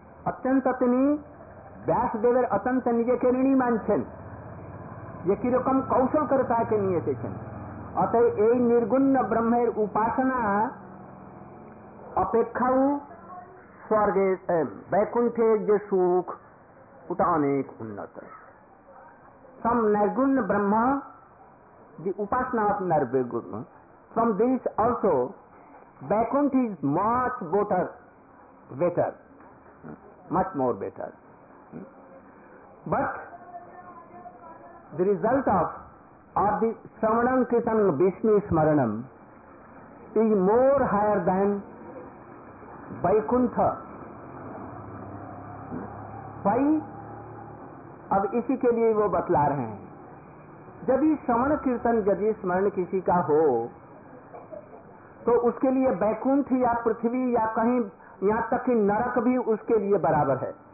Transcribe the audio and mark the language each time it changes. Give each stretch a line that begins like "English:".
Bangla: অত্যন্ত তিনি ব্যাসদেবের অত্যন্ত নিজেকে ঋণী মানছেন যে কিরকম কৌশল করে তাকে নিয়ে এসেছেন, অতএব এই নির্গুণ্য ব্রহ্মের উপাসনা অপেক্ষাও স্বর্গে বৈকুণ্ঠের যে সুখ ওটা অনেক উন্নত।
English: সম nirguna Brahma the upasana of nirguna from this also Vaikuntha is much better much more better. But the result of or the Sramanam Kirtanam Vishnu Smaranam is more higher than Vaikuntha. Why?
Hindi: अब इसी के लिए वो बतला रहे हैं. जब श्रवण कीर्तन यदि स्मरण किसी का हो तो उसके लिए वैकुंठ या पृथ्वी या कहीं यहाँ तक कि नरक भी उसके लिए बराबर है.